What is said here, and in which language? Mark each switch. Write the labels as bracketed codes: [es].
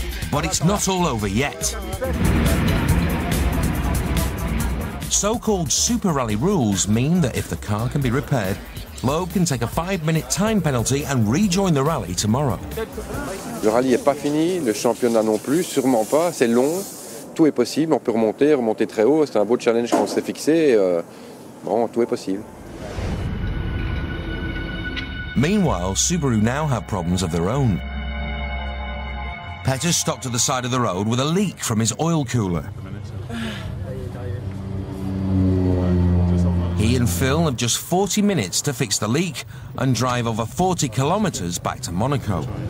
[en] But it's not all over yet. So-called super rally rules mean that if the car can be repaired, Loeb can take a 5-minute time penalty and rejoin the rally tomorrow. [fr] Le rally n'est pas fini, le championnat non plus, sûrement pas, c'est long, tout est possible, on peut remonter très haut, c'est un beau challenge qu'on s'est fixé, bon, tout est possible. [en] Meanwhile, Subaru now have problems of their own. Petter stopped at the side of the road with a leak from his oil cooler. He and Phil have just 40 minutes to fix the leak and drive over 40 kilometres back to Monaco.